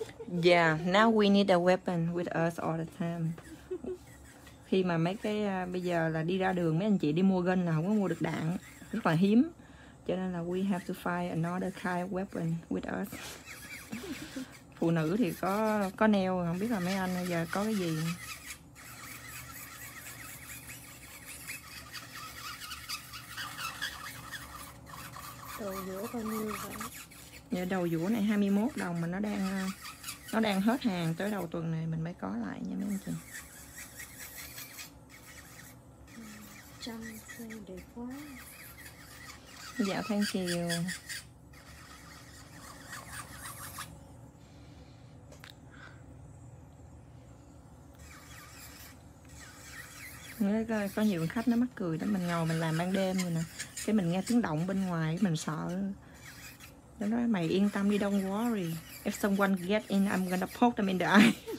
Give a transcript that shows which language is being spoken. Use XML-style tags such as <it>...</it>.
<en>Yeah, now we need a weapon with us all the time.</en> <vi>Khi mà mấy cái bây giờ là đi ra đường mấy anh chị đi mua gun là không có mua được đạn, rất là hiếm. Cho nên là</vi> <en>we have to find another kind of weapon with us.</en> <vi>Phụ nữ thì có nail, không biết là mấy anh bây giờ có cái gì. Đầu giũa bao nhiêu vậy? Dạ, đầu giũa này 21 đồng mà nó đang hết hàng, tới đầu tuần này mình mới có lại nha mấy anh chị. Trăm xe đẹp quá.</vi> <en>Dạ, thank you.</en> <vi>Nghe coi, có nhiều khách nó mắc cười đó. Mình ngồi mình làm ban đêm rồi nè, cái mình nghe tiếng động bên ngoài, mình sợ. Nó nói mày yên tâm đi,</vi> <en>don't worry. If someone get in, I'm gonna poke them in the eye.</en>